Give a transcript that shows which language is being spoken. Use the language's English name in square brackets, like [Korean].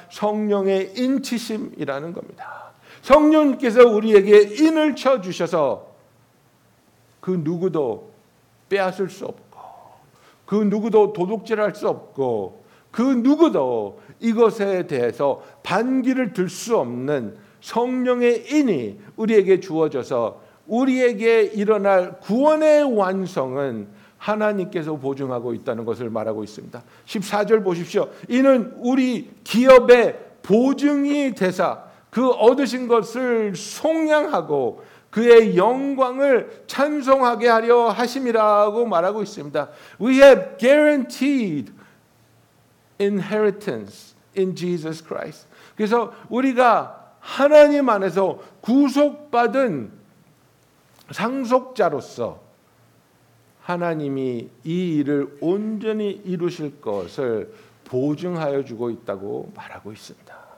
[Korean] 성령의 인치심이라는 겁니다. 성령님께서 우리에게 인을 쳐주셔서 그 누구도 빼앗을 수 없고 그 누구도 도둑질할 수 없고 그 누구도 이것에 대해서 반기를 들 수 없는 성령의 인이 우리에게 주어져서 우리에게 일어날 구원의 완성은 하나님께서 보증하고 있다는 것을 말하고 있습니다. 14절 보십시오. 이는 우리 기업의 보증이 되사 그 얻으신 것을 송양하고 그의 영광을 찬송하게 하려 하심이라고 말하고 있습니다. [English] We have guaranteed inheritance in Jesus Christ. [Korean] 그래서 우리가 하나님 안에서 구속받은 상속자로서 하나님이 이 일을 온전히 이루실 것을 보증하여 주고 있다고 말하고 있습니다.